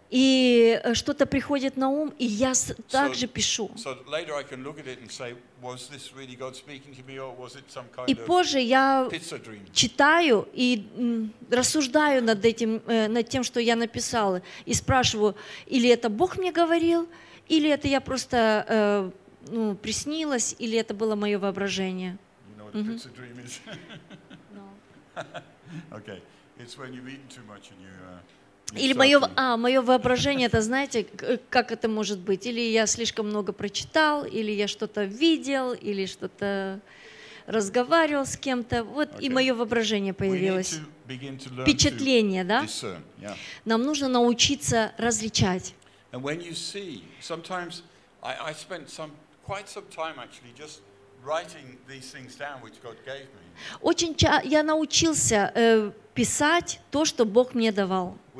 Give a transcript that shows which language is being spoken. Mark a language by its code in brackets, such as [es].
[ru] И что-то приходит на ум, и я также пишу. [en] So later I can look at it and say, was this really God speaking to me, or was it some kind of pizza? [ru] И позже я читаю и рассуждаю над этим, над тем, что я написала, и спрашиваю, или это Бог мне говорил, или это я просто приснилась, или это было мое воображение. [en] You know what a pizza dream is? No. Okay. It's when you've eaten too much and you're [ru] Или мое, мое воображение, это знаете, как это может быть? Или я слишком много прочитал, или я что-то видел, или что-то разговаривал с кем-то. Вот okay. И мое воображение появилось. Впечатление, да? [en] Yeah. [ru] Нам нужно научиться различать. [en] And when you see, sometimes I spent quite some time actually just writing these things down, which God gave me. [ru] Очень я научился писать то, что Бог мне давал.